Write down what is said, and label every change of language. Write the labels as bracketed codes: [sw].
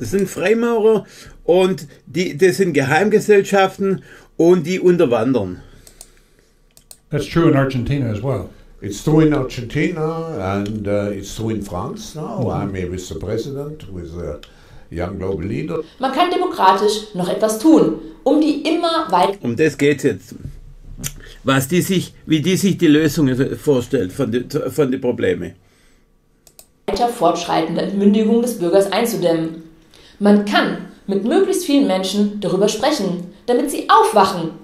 [de] Das sind Freimaurer und das sind Geheimgesellschaften und die unterwandern. [en] That's true in Argentina as well. It's true in Argentina and it's true in France now. I'm here with the president, with a young global leader. [de] Man kann demokratisch noch etwas tun, um die immer weiter. Um das geht's jetzt. Was die sich, wie die sich die Lösung vorstellt von den Problemen. Fortschreitende Entmündigung des Bürgers einzudämmen. Man kann mit möglichst vielen Menschen darüber sprechen, damit sie aufwachen.